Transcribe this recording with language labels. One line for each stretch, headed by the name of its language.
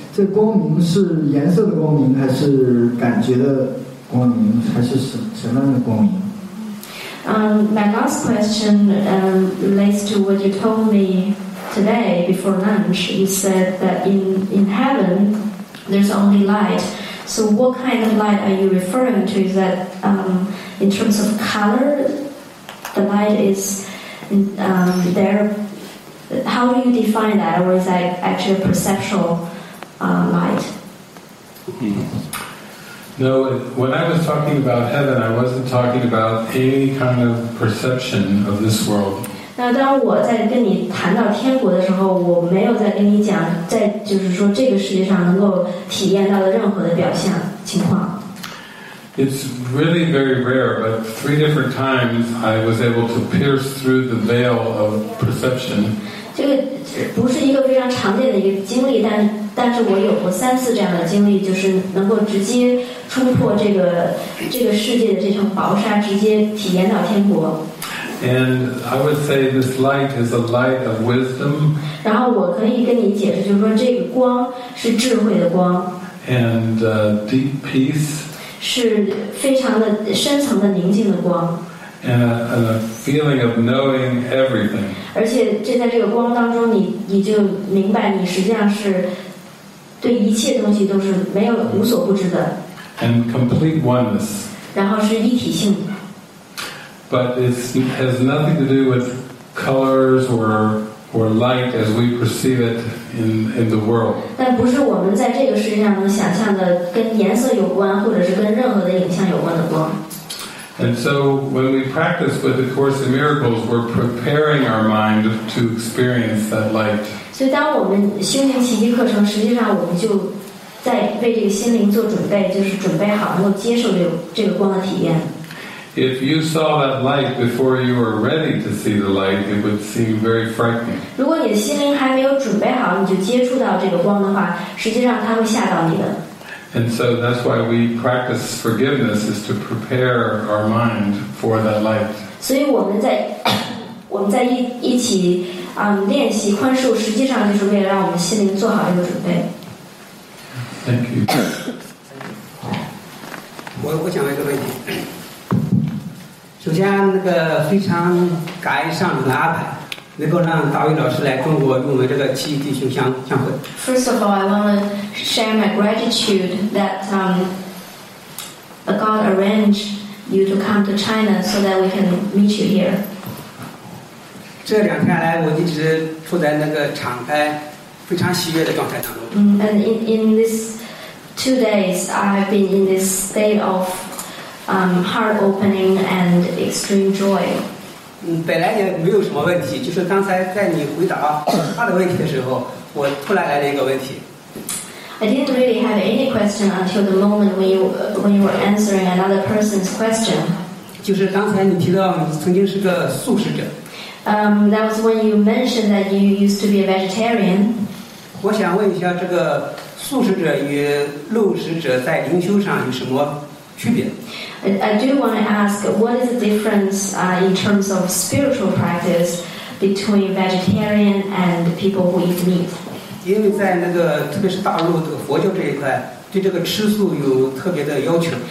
Chinese: 这光明是颜色的光明，还是感觉的光明，还是什么样的光明？
English: My last question relates to what you told me today before lunch. You said that in heaven there's only light. So what kind of light are you referring to? Is that in terms of color, the light is there? How do you define that, or is that actually perceptual? Light. No, when I was talking about heaven, I wasn't talking about any kind of perception of this world.
Chinese: 那当我在跟你谈到天国的时候，我没有在跟你讲，在就是说这个世界上能够体验到的任何的表象情况。
English: It's really very rare, but three different times I was able to pierce through the veil of perception.
Chinese: 这个不是一个非常常见的一个经历，但是我有过三次这样的经历，就是能够直接冲破这个世界的这层薄纱，直接体验到天国。
English: And I would say this light is a light of wisdom.
Chinese: 然后我可以跟你解释，就是说这个光是智慧的光。
English: And deep peace.
Chinese: 是非常的深层的宁静的光。
English: And a feeling of knowing everything.
Chinese: 而且这在这个光当中你就明白你实际上是对一切东西都是没有无所不知的。
English: And complete oneness.
Chinese: 然后是一体性。
English: But it has nothing to do with colors or light as we perceive it in the world.
Chinese: 但不是我们在这个世界上能想象的跟颜色有关或者是跟任何的影像有关的光。
English: And so when we practice with the Course in Miracles, we're preparing our mind to experience that light.
Chinese: 所以当我们修行奇迹课程，实际上我们就在为这个心灵做准备，就是准备好能够接受这个光的体验。
English: If you saw that light before you were ready to see the light, it would seem very frightening.
Chinese: 如果你的心灵还没有准备好，你就接触到这个光的话，实际上它会吓到你的。
English: And so that's why we practice forgiveness, is to prepare our mind for that light.
Chinese: 所以我们在一起练习宽恕，实际上就是为了让我们心灵做好一个准备。
English: Thank you.
Chinese: 我想问一个问题。首先，那个非常感恩上主的安排。能够让大卫老师来中国用我们这个七弟兄相会。
English: First of all, I want to share my gratitude that God arranged you to come to China so that we can meet you here.
Chinese: 这两天来，我一直处在那个敞开、非常喜悦的状态当中。
English: And in these 2 days, I've been in this state of heart opening and extreme joy.
Chinese: 本来也没有什么问题，就是刚才在你回答他的问题的时候，我突然来了一个问题。
English: I didn't really have any question until the moment when you were answering another person's question.
Chinese: 就是刚才你提到你曾经是个素食者。
English: That was when you mentioned that you used to be a vegetarian.
Chinese: 我想问一下，这个素食者与肉食者在灵修上有什么区别？
English: I do want to ask, what is the difference in terms of spiritual practice between vegetarian and people who eat meat.
Chinese: 因为在那个特别是大陆这个佛教这一块，对这个吃素有特别的要求。